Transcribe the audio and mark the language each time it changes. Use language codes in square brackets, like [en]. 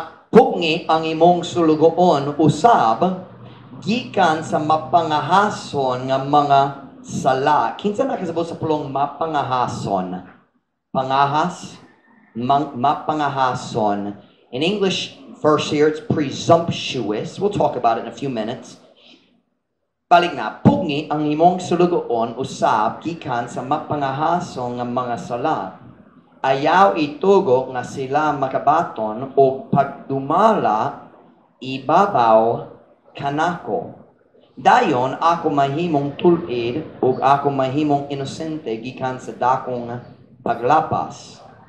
[ceb] Pugni ang imong sulugoon usab gikan sa mapangahason ng mga sala. Kinsa nakasabot sa pulong mapangahason? Pangahas? Mapangahason. [en] In English verse here, it's presumptuous. We'll talk about it in a few minutes. [ceb] Balik na, pugni ang imong sulugoon usab gikan sa mapangahason ng mga sala. Ayaw itugo nga sila makabaton o pagdumala ibabaw kanako. Dayon ako mahimong tulid o ako mahimong inosente gikan sa dakong paglapas.